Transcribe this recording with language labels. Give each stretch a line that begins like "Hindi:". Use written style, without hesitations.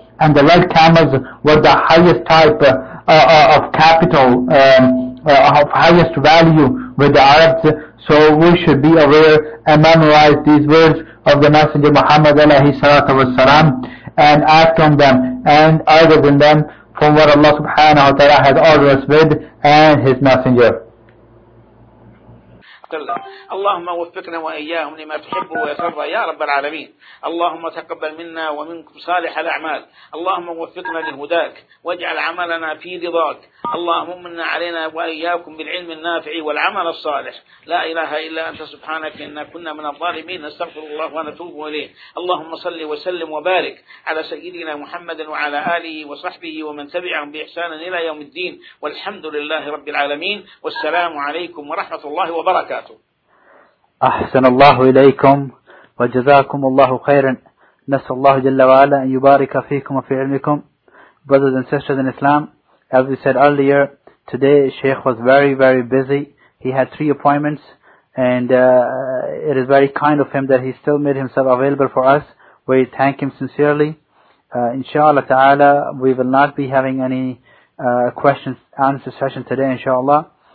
English: And the red camels were the highest type of capital, of highest value with the Arabs. So we should be aware and memorize these words of the Messenger Muhammad alayhi salatu wasalam, and act on them and other than them from what Allah subhanahu wa ta'ala had ordered us with and His Messenger.
Arabic: اللهم وفقنا وإياهم لما تحب ويرضى يا رب العالمين. اللهم تقبل منا ومنكم صالح الأعمال. اللهم وفقنا لهداك واجعل عملنا في رضاك. اللهم من علينا وإياكم بالعلم النافع والعمل الصالح. لا إله إلا أنت سبحانك إنا كنا من الظالمين, نستغفر الله ونتوب إليه. اللهم صل وسلم وبارك على سيدنا محمد وعلى آله وصحبه ومن تبعهم بإحسان إلى يوم الدين, والحمد لله رب العالمين, والسلام عليكم ورحمة الله وبركاته. أحسن الله إليكم وجزاكم الله خيرا. نسأل الله جل وعلا أن يبارك فيكم وفي علمكم.
English: Brothers and sisters in Islam, as we said earlier, today Sheikh was very, very busy He had 3 appointments, and it is very kind of him that he still made himself available for us. We thank him sincerely. Inshallah ta'ala, we will not be having any questions answer session today, inshallah.